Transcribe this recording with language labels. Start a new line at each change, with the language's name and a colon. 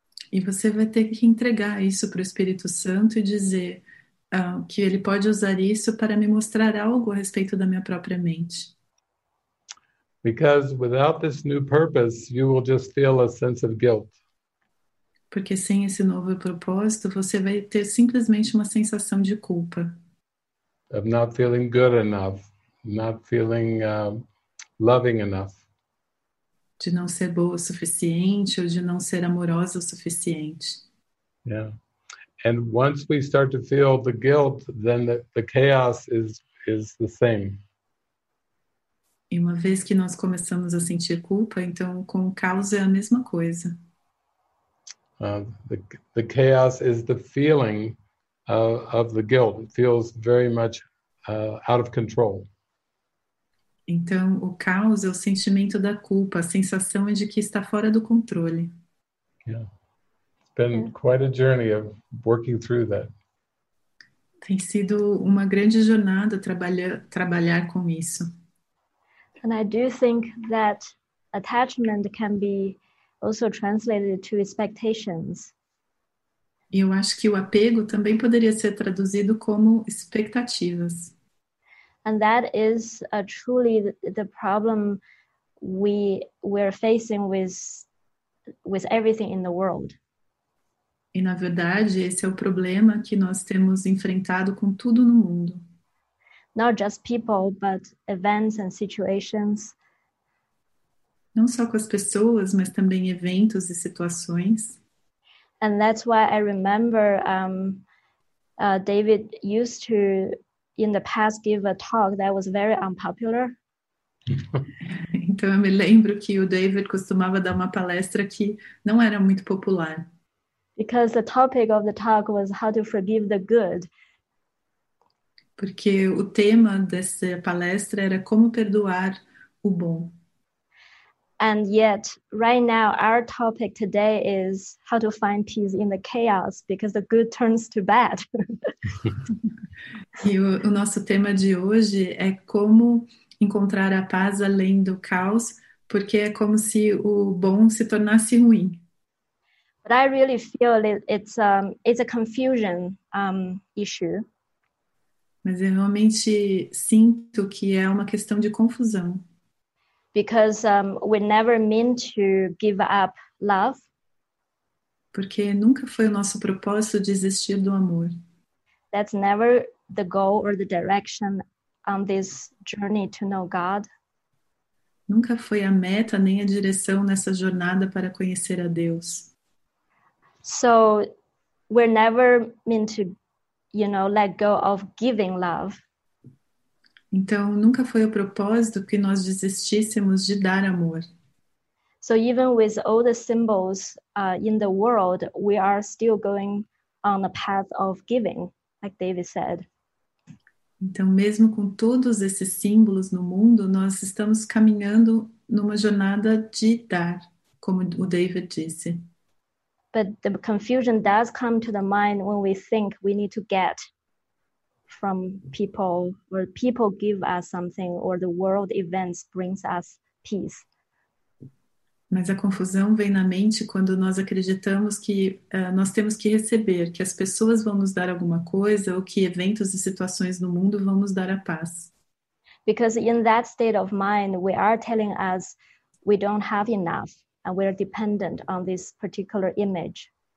Portuguese: E você vai ter que entregar isso para o Espírito Santo e dizer que ele pode usar isso para me mostrar algo a respeito da minha própria mente.
English: Because without this new purpose, you will just feel a sense of guilt.
Portuguese: Porque sem esse novo propósito, você vai ter simplesmente uma sensação de culpa.
English: Of not feeling good enough, not feeling loving enough.
Portuguese: De não ser boa o suficiente ou de não ser amorosa o suficiente.
English: Yeah. And once we start to feel the guilt, then the chaos is the same.
Portuguese: E uma vez que nós começamos a sentir culpa, então com o caos é a mesma coisa.
English: The chaos is the feeling of the guilt. It feels very much out of control.
Portuguese: Então, o caos é o sentimento da culpa, a sensação de que está fora do controle.
English: Yeah. It's been quite a journey of working through that.
Portuguese: Tem sido uma grande jornada trabalhar com isso.
English: And I do think that attachment can be also translated to expectations.
Portuguese: E eu acho que o apego também poderia ser traduzido como expectativas.
English: And that is truly the problem we're facing with everything in the world.
Portuguese: E, na verdade, esse é o problema que nós temos enfrentado com tudo no mundo.
English: Not just people, but events and situations.
Portuguese: Não só com as pessoas, mas também eventos e situações.
English: And that's why I remember David used to, in the past, give a talk that was very unpopular.
Portuguese: Então, eu me lembro que o David costumava dar uma palestra que não era muito popular.
English: Because the topic of the talk was how to forgive the good.
Portuguese: Porque o tema dessa palestra era como perdoar o bom.
English: And yet, right now, our topic today is how to find peace in the chaos, because the good turns to bad.
Portuguese: E o nosso tema de hoje é como encontrar a paz além do caos, porque é como se o bom se tornasse ruim.
English: But I really feel it's a confusion issue.
Portuguese: Mas eu realmente sinto que é uma questão de confusão.
English: Because we never mean to give up love.
Portuguese: Porque nunca foi o nosso propósito desistir do amor.
English: That's never the goal or the direction on this journey to know God.
Portuguese: Nunca foi a meta nem a direção nessa jornada para conhecer a Deus.
English: So we're never meant to, let go of giving love.
Portuguese: Então, nunca foi o propósito que nós desistíssemos de dar amor.
English: So even with all the symbols in the world, we are still going on the path of giving, like David said.
Portuguese: Então, mesmo com todos esses símbolos no mundo, nós estamos caminhando numa jornada de dar, como o David disse.
English: But the confusion does come to the mind when we think we need to get from people, or people give us something, or the world events brings us peace.
Portuguese: Mas a confusão vem na mente quando nós acreditamos que nós temos que receber, que as pessoas vão nos dar alguma coisa, ou que eventos e situações no mundo vão nos dar a paz.
English: Because in that state of mind, we are telling us we don't have enough, and we are dependent on this particular image.